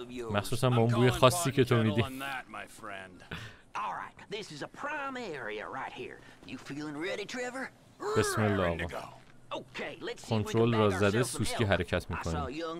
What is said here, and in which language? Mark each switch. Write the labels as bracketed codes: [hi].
[fa] مخصوصا با اون بوی خاصی که تو میدی. [en] Alright, this is a prime area right here. You feeling ready, Trevor? [fa] بسم الله آقا. کنترل را زده، سوسکی حرکت میکنه.